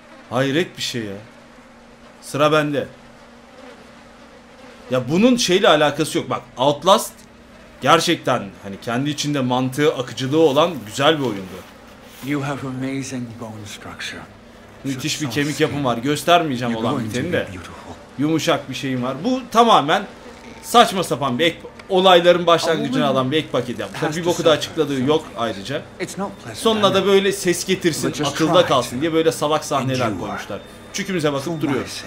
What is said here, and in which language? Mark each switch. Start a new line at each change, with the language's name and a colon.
Turkish: Hayret bir şey ya. Sıra bende. Ya bunun şeyle alakası yok. Bak Outlast gerçekten hani kendi içinde mantığı, akıcılığı olan güzel bir oyundu.
English: You have amazing bone structure.
Turkish: Müthiş bir kemik yapım var. Göstermeyeceğim olan biteni de. Yumuşak bir şeyim var. Bu tamamen saçma sapan bir ek, olayların başlangıcını alan bir ek paket yaptı. Tabii bir boku da açıkladığı yok ayrıca. Sonuna da böyle ses getirsin, akılda kalsın diye böyle salak sahneler koymuşlar. Çükümüze bakıp duruyor.